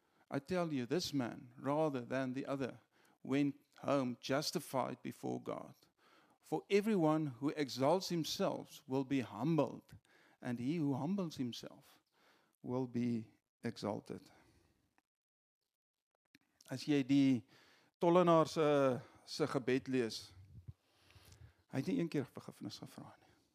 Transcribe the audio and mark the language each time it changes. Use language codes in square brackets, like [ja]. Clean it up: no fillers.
[en] I tell you, this man, rather than the other, went home justified before God. For everyone who exalts himself will be humbled, and he who humbles himself will be exalted. [af] As jy die tollenaar se gebed lees, Hy het nie een keer vergifnis gevra nie.